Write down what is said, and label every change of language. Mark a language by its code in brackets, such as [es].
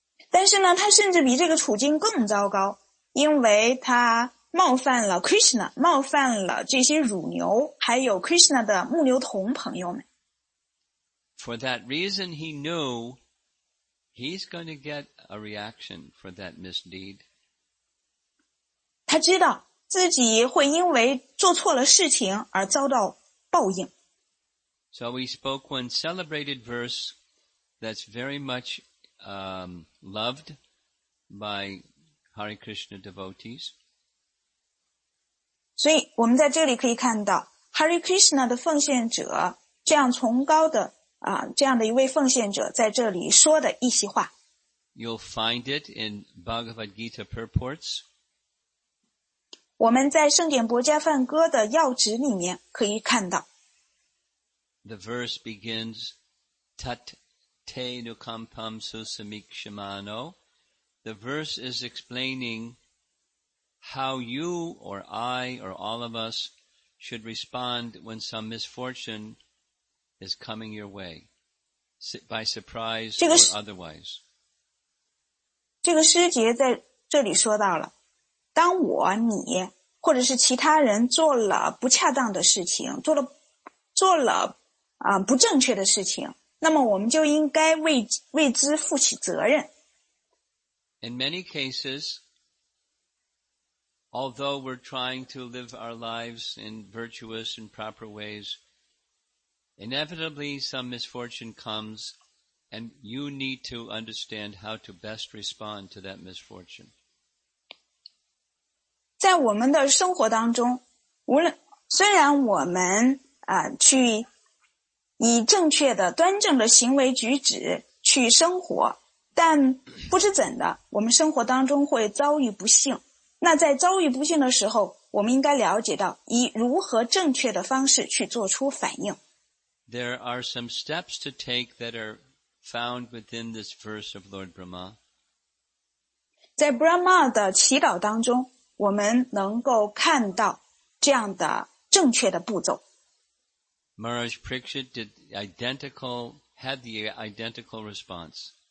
[zh] 但是呢，他甚至比这个处境更糟糕，因为他冒犯了 Krishna， 冒犯了这些乳牛，还有 Krishna 的牧牛童朋友们。 [en] For that reason, he knew he's going to get a reaction for that misdeed. [zh] 他知道自己会因为做错了事情而遭到报应。 [en] So we spoke one celebrated verse that's very much, loved by Hare Krishna devotees. [zh] 所以我们在这里可以看到 Hare Krishna 的奉献者这样崇高的这样的一位奉献者在这里说的一席话。 [en] You'll find it in Bhagavad Gita purports. [zh] 我们在圣典薄伽梵歌的要旨里面可以看到。 [en] The verse begins, [sa] Tat te nukampam susamikshamano. [en] The verse is explaining how you or I or all of us should respond when some misfortune is coming your way, by surprise or otherwise. [zh] 这个诗节在这里说到了，当我、你或者是其他人做了不恰当的事情，做了不正确的事情，那么我们就应该为之负起责任。 [en] In many cases, although we're trying to live our lives in virtuous and proper ways, inevitably some misfortune comes, and you need to understand how to best respond to that misfortune. [zh] 在我们的生活当中，无论虽然我们去以正确的、端正的行为举止去生活，但不知怎的，我们生活当中会遭遇不幸。那在遭遇不幸的时候，我们应该了解到以如何正确的方式去做出反应。 [en] There are some steps to take that are found within this verse of Lord Brahma. [zh] 在 Brahma 的祈祷当中，我们能够看到这样的正确的步骤。 [en] Maharaj Parikshit had the identical response.